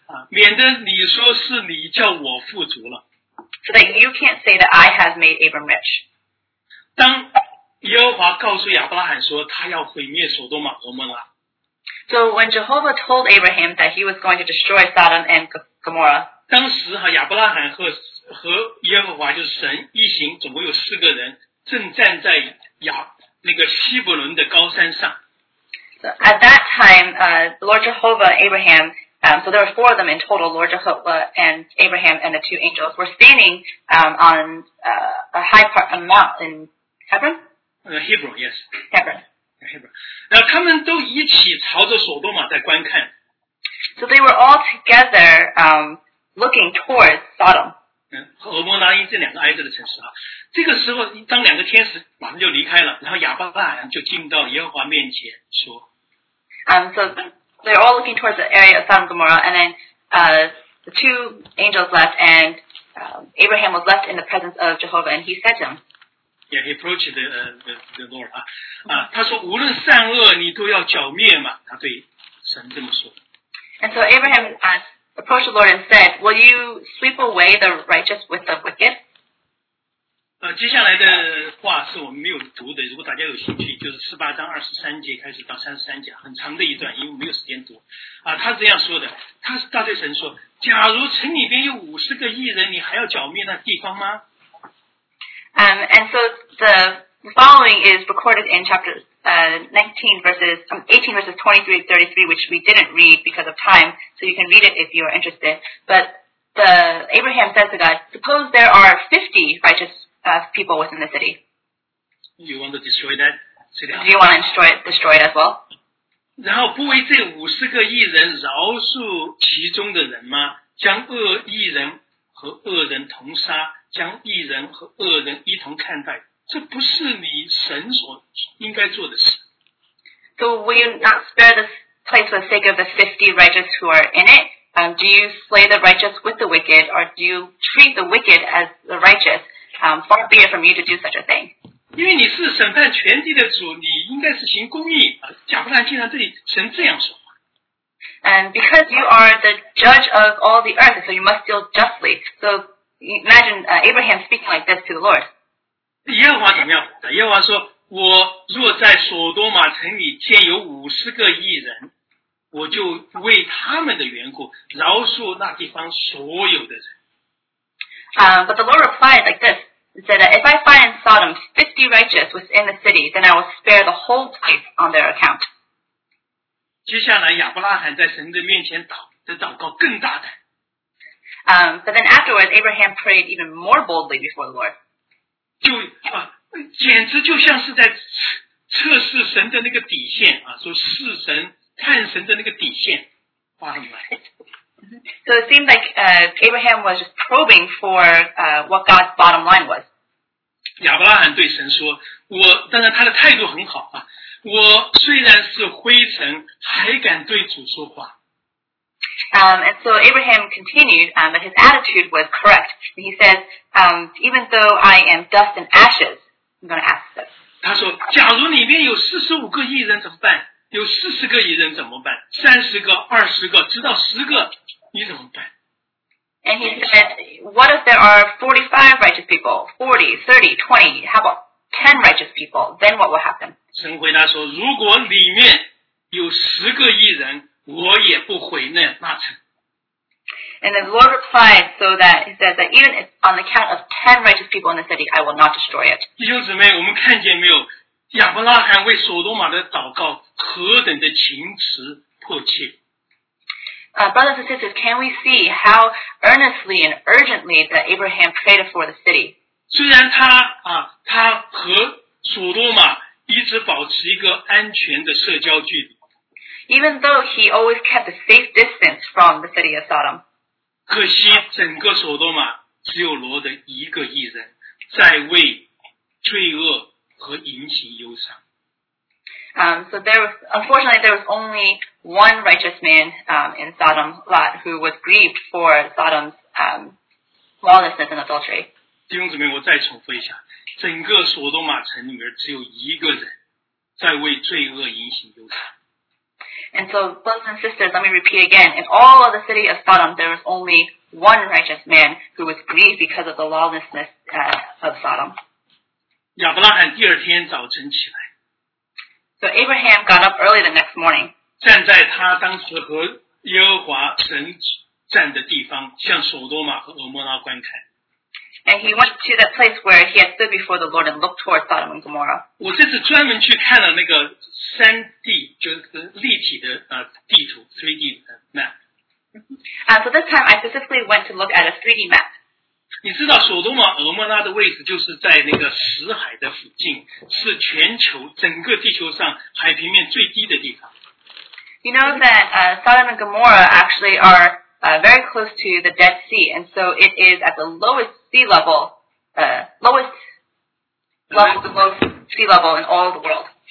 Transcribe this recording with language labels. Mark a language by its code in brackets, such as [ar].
[zh] 免得你说是你叫我富足了。 [en] So that you can't say that I have made Abram rich. [zh] 当耶和华告诉亚伯拉罕说他要毁灭索多玛和摩拉。 [en] So when Jehovah told Abraham that he was going to destroy Sodom and Gomorrah. [zh] 当时亚伯拉罕和耶和华就是神一行总共有四个人正站在那个希伯伦的高山上。 [en] So at that time, Lord Jehovah, Abraham, so there were four of them in total, Lord Jehovah and Abraham and the two angels were standing on a high part of a mount in Hebron? Hebron, yes. Hebron. Hebron. [zh] 然后他们都一起朝着索多玛在观看。 [en] So they were all together looking towards Sodom. [zh] 和俄摩拉因这两个挨着的城市啊。这个时候当两个天使马上就离开了，然后亚伯拉罕就进到耶和华面前说。 [en] So they're all looking towards the area of Sodom and Gomorrah, and then the two angels left, and Abraham was left in the presence of Jehovah, and he said to him. Yeah, he approached the Lord. [zh] 他说无论善恶你都要剿灭嘛，他对神这么说。 [en] And so Abraham approached the Lord and said, will you sweep away the righteous with the wicked? [zh] 接下来的话是我们没有读的，如果大家有兴趣，就是48章23节开始到33节，很长的一段，因为没有时间读。他这样说的，他是大对神说，假如城里边有50个义人，你还要剿灭那地方吗？ [en] And so the following is recorded in chapter 18 verses 23-33, which we didn't read because of time, so you can read it if you are interested. But Abraham says to God, suppose there are 50 righteous people within the city. You want to destroy that city? Do you want to destroy it as well? [zh] 然后不为这五十个义人饶恕其中的人吗？将恶义人和恶人同杀，将义人和恶人一同看待，这不是你神所应该做的事。 [en] So will you not spare this place for the sake of the 50 righteous who are in it? Do you slay the righteous with the wicked, or do you treat the wicked as the righteous? Far be it from you to do such a thing. [zh] 因为你是审判全地的主，你应该是行公义。亚伯拉罕竟然对神这样说。 [en] And because you are the judge of all the earth, so you must deal justly. So imagine Abraham speaking like this to the Lord. [zh] 耶和华怎么样？耶和华说，我若在索多玛城里建有五十个义人，我就为他们的缘故饶恕那地方所有的人。 [en] But the Lord replied like this. He said, if I find in Sodom 50 righteous within the city, then I will spare the whole place on their account. [zh] 接下来亚伯拉罕在神的面前祷告更大胆。 [en] But then afterwards, Abraham prayed even more boldly before the Lord. [zh] 就简直就像是在测试神的那个底线啊，说试神探神的那个底线。 [en] So it seemed like Abraham was just probing for what God's bottom line was. [zh] 亚伯拉罕对神说，我当然他的态度很好啊，我虽然是灰尘，还敢对主说话。 [en] And so Abraham continued, but his attitude was correct. And he says, even though I am dust and ashes, I'm going to ask this. [zh] 他说，假如里面有四十五个义人怎么办？有四十个义人怎么办？三十个、二十个，直到十个，你怎么办？ [en] And he said, what if there are 45 righteous people? 40, 30, 20, how about 10 righteous people? Then what will happen? [zh] 神回答说，如果里面有十个义人，我也不毁那那城。 [en] And the Lord replied so that he says that even if on the count of 10 righteous people in the city, I will not destroy it. [zh] 弟兄姊妹，我们看见没有？亚伯拉罕为索多玛的祷告何等的情辞迫切。 [en] Brothers and sisters, can we see how earnestly and urgently that Abraham prayed for the city? [zh] 虽然他和索多玛一直保持一个安全的社交距离。 [en] Even though he always kept a safe distance from the city of Sodom. [zh] 可惜整个索多玛只有罗的一个义人在为罪恶和淫行忧伤。 [en] So there was, unfortunately, there was only one righteous man in Sodom, Lot, who was grieved for Sodom's lawlessness and adultery. [zh] 弟兄姊妹，我再重复一下，整个索多玛城里面只有一个人在为罪恶淫行忧伤。 [en] And so, brothers and sisters, let me repeat again. In all of the city of Sodom, there was only one righteous man who was grieved because of the lawlessness of Sodom. [zh] 亚伯拉罕第二天早晨起来。 [en] So Abraham got up early the next morning. [zh] 站在他当时和耶和华神站的地方，向索多玛和俄摩拉观看。 [en] And he went to that place where he had stood before the Lord and looked toward Sodom and Gomorrah. [zh] 我这次专门去看了那个 3D, 就是立体的地图 ,3D map. [en] So this time I specifically went to look at a 3D map. [zh] 你知道索多玛俄摩拉的位置就是在那个死海的附近，是全球整个地球上海平面最低的地方。 [en] You know that Sodom and Gomorrah actually are very close to the Dead Sea, and so it is at the lowest sea level, lowest sea level in all the world.